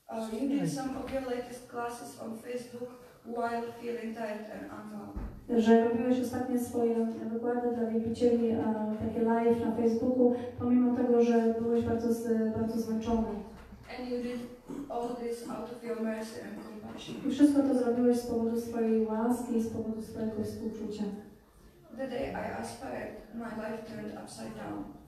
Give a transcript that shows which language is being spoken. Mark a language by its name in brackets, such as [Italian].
[English] You did some of your latest classes on Facebook while feeling tired and unwell. [Polish] Że robiłeś ostatnie swoje wykłady dla wielbicieli, takie live na Facebooku, pomimo tego, że byłeś bardzo, bardzo zmęczony. [English] And you did all this out of your mercy and compassion. [Polish] I wszystko to zrobiłeś z powodu swojej łaski i z powodu swojego współczucia. [English] The day I aspired, my life turned upside down.